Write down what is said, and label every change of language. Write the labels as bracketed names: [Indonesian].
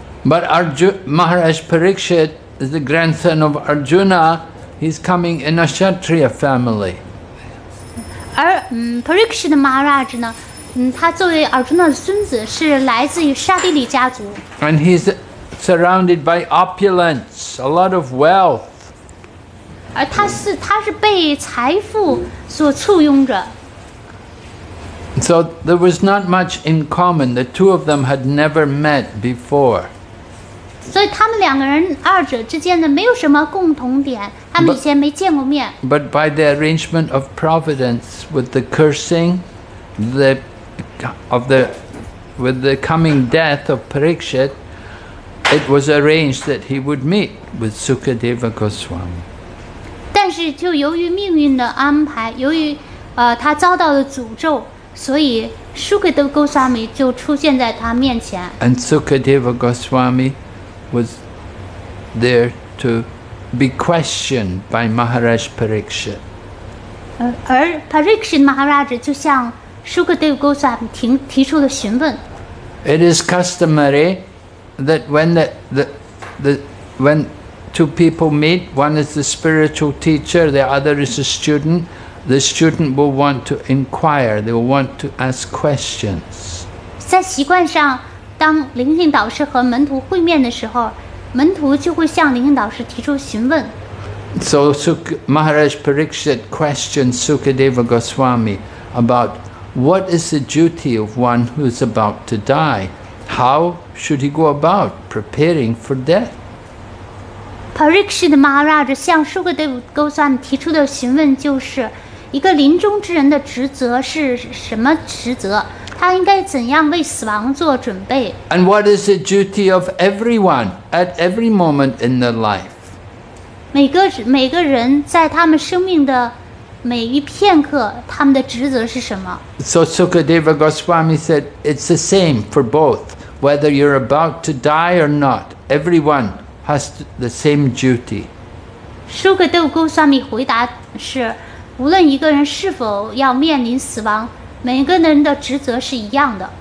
[English] But Maharaj Parikshit is the grandson of Arjuna. He's coming in a Kshatriya family. [Chinese] 而Parikshit Maharaj 呢，他作为 Arjuna 的孙子，是来自于沙地里家族。 [English] And he's surrounded by opulence, a lot of wealth. [Chinese] 而他是被财富所簇拥着。 [English] So there was not much in common. The two of them had never met before. [Chinese] 所以他们两个人二者之间的没有什么共同点，他们以前没见过面。 [English] But by the arrangement of providence, with the cursing, with the coming death of Parikshit, it was arranged that he would meet with Sukadeva Goswami. [Chinese] 但是就由于命运的安排，由于他遭到了诅咒，所以 Sukadeva Goswami 就出现在他面前。 [English] And Sukadeva Goswami was there to be questioned by Maharaj Parikshit. [Chinese] 而 Parikshit Maharaj 就向 Sukadeva Goswami 提出了询问。 [English] It is customary that when two people meet, one is the spiritual teacher, the other is a student. The student will want to inquire, they will want to ask questions. [Chinese] 在习惯上，当灵性导师和门徒会面的时候，门徒就会向灵性导师提出询问。 [English] So Maharaj Parikshit questioned Sukadeva Goswami about what is the duty of one who is about to die? How should he go about preparing for death? [Chinese] Parikshit Maharaj 向 Sukadeva Goswami 提出的询问就是一个临终之人的职责是什么职责，他应该怎样为死亡做准备。 [English] And what is the duty of everyone at every moment in their life? [Chinese] 每个人在他们生命的每一片刻，他们的职责是什么。 [English] So Sukadeva Goswami said it's the same for both. Whether you're about to die or not, everyone has the same duty. [Chinese] Sukadeva Goswami 回答是，无论一个人是否要面临死亡，每个人的职责是一样的。